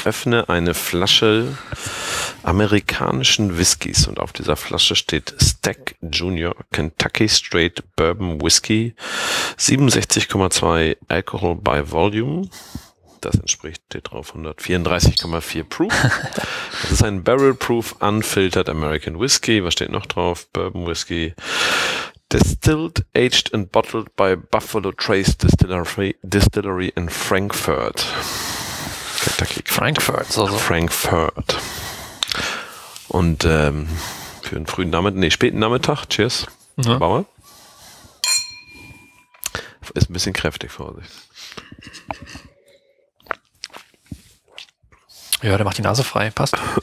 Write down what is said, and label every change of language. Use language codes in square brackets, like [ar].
[de] Ich öffne eine Flasche amerikanischen Whiskys und auf dieser Flasche steht Stack Junior Kentucky Straight Bourbon Whiskey 67,2 Alcohol by Volume. Das entspricht steht drauf 134,4 Proof. Das ist ein Barrel Proof Unfiltered American Whiskey. Was steht noch drauf? Bourbon Whiskey. [en] Distilled, aged and bottled by Buffalo Trace Distillery in Frankfurt. [de] Kentucky. Frankfurt, so. Also. Frankfurt. Und für einen frühen Nachmittag, späten Nachmittag, cheers, ja. Bauer. Ist ein bisschen kräftig, Vorsicht. Ja, der macht die Nase frei, passt.